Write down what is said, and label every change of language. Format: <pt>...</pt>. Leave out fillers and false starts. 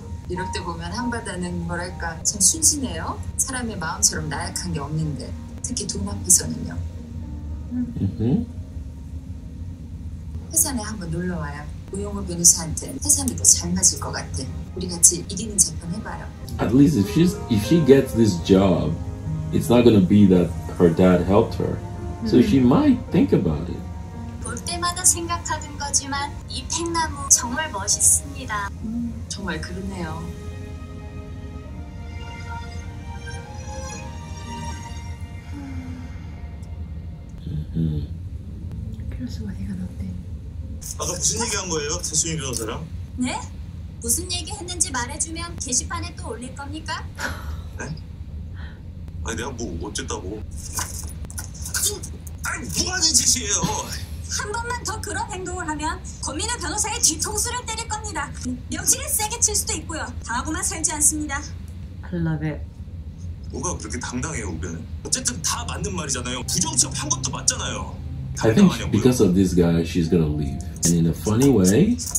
<ko>이럴 때 보면 한바다는 뭐랄까 참 순진해요. 사람의 마음처럼 나약한 게 없는데. 특히 돈 앞에서는요. 회산에 한번 놀러 와요. 우영우 변호사한테 회산이 더 잘 맞을 것 같아. 우리 같이 이기는 재판 해봐요.</ko> <en>At least if she gets this job, it's not gonna be that her dad helped her. So she might think about it.</en> <ko>볼 때마다 생각하는 거지만 이 팽나무 정말 멋있습니다. 정말 그러네요. 그래서 어디가 났대. 아까 무슨 얘기한 거예요? 태순이 변호사랑? 네? 무슨 얘기 했는지 말해주면 게시판에 또 올릴 겁니까? 네? 아니 내가 뭐 어쨌다고. 아니 뭐하는 짓이에요? 한 번만 더 그런 행동을 하면 권민우 변호사의 뒤통수를 때릴 겁니다. 명치를 세게 칠 수도 있고요. 당하고만 살지 않습니다.</ko> <en>I love it.</en> <ko>뭐가 그렇게 당당해요, 우변? 어쨌든 다 맞는 말이잖아요. 부정적 한 것도 맞잖아요.</ko> <en>I think because of this guy, she's gonna leave. And in a funny way,</en>